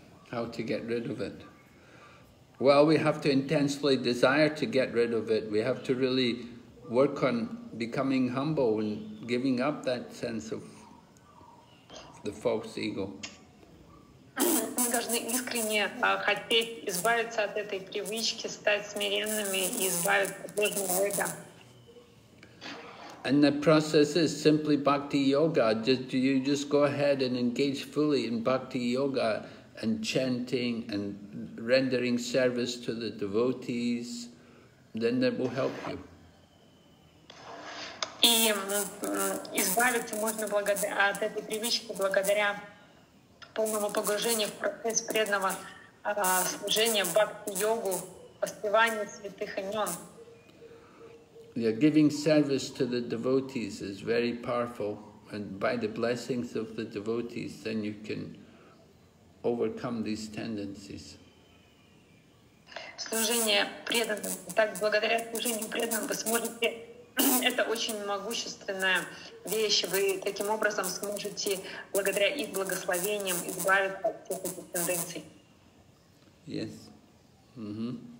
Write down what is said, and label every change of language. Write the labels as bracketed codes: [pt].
[en] How to get rid of it? Well, we have to intensely desire to get rid of it. We have to really work on becoming humble and giving up that sense of the false ego. [ru] Мы должны искренне хотеть избавиться от этой привычки, стать смиренными и избавиться от ложного эго. [en] And the process is simply bhakti yoga. Just you just go ahead and engage fully in bhakti yoga and chanting and rendering service to the devotees, then that will help you. [ru] И избавиться можно от этой привычки благодаря полному погружению в процесс преданного служения бхакти йогу, воспеванию святых имен. [en] Yeah, giving service to the devotees is very powerful, and by the blessings of the devotees, then you can overcome these tendencies. [ru] Служение преданным, так благодаря служению преданным вы сможете. Это очень могущественная вещь. Вы таким образом сможете, благодаря их благословениям, избавиться от всех этих тенденций. [en] Yes. Mm-hmm.